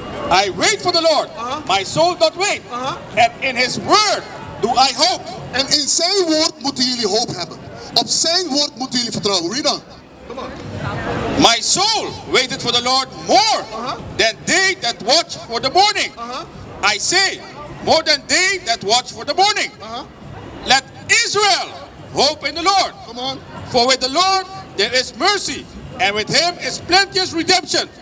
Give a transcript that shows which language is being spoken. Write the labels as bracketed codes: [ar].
[en] I wait for the Lord, my soul doth wait, and in his word do I hope. [nl] En in zijn woord moeten jullie hoop hebben. Op zijn woord moeten jullie vertrouwen. [en] Read on. Come on. My soul waited for the Lord more than they that watch for the morning. I say, more than they that watch for the morning. Let Israel hope in the Lord. Come on. For with the Lord there is mercy. And with him is plenteous redemption.